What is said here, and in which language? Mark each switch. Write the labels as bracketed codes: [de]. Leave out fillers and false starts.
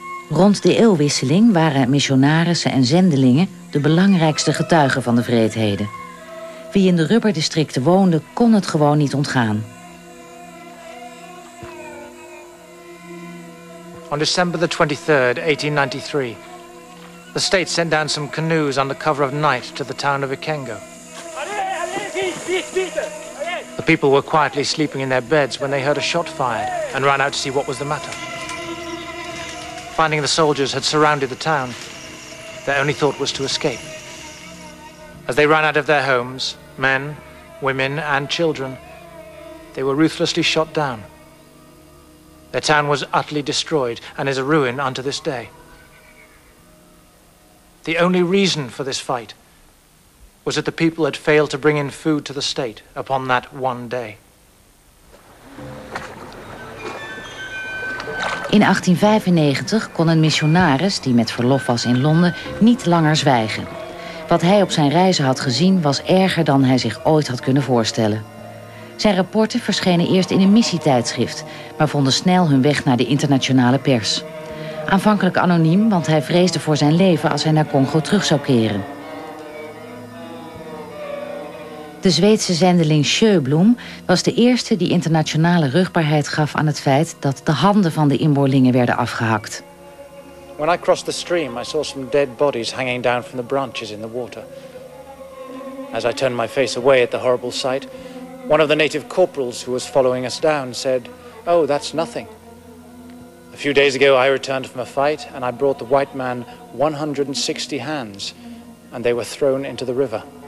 [nl] Rond de eeuwwisseling waren missionarissen en zendelingen de belangrijkste getuigen van de wreedheden. Wie in de rubberdistricten woonde, kon het gewoon niet ontgaan. [en] On December the 23rd, 1893, the state sent down some canoes under cover of night to the town of Ikengo. The people were quietly sleeping in their beds when they heard a shot fired and ran out to see what was the matter. Finding the soldiers had surrounded the town, their only thought was to escape. As they ran out of their homes, men, women, and children, they were ruthlessly shot down. Their town was utterly destroyed and is a ruin unto this day. The only reason for this fight was that the people had failed to bring in food to the state upon that one day. [nl] In 1895 kon een missionaris, die met verlof was in Londen, niet langer zwijgen. Wat hij op zijn reizen had gezien was erger dan hij zich ooit had kunnen voorstellen. Zijn rapporten verschenen eerst in een missietijdschrift, maar vonden snel hun weg naar de internationale pers. Aanvankelijk anoniem, want hij vreesde voor zijn leven als hij naar Congo terug zou keren. De Zweedse zendeling Sjöblom was de eerste die internationale ruchtbaarheid gaf aan het feit dat de handen van de inboorlingen werden afgehakt. [en] When I crossed the stream, I saw some dead bodies hanging down from the branches in the water. As I turned my face away at the horrible sight, one of the native corporals who was following us down said, "Oh, that's nothing." A few days ago, I returned from a fight and I brought the white man 160 hands, and they were thrown into the river.